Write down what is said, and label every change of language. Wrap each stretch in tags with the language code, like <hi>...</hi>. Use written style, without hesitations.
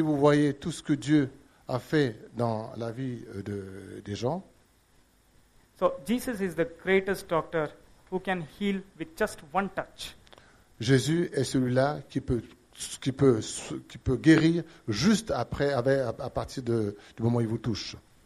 <fr>vous voyez tout ce que Dieu a fait dans la vie des gens.</fr> <en>So Jesus is the greatest doctor who can heal with just one touch.</en> <fr>Jésus est celui-là qui peut guérir juste après à partir du moment où il vous touche.</fr>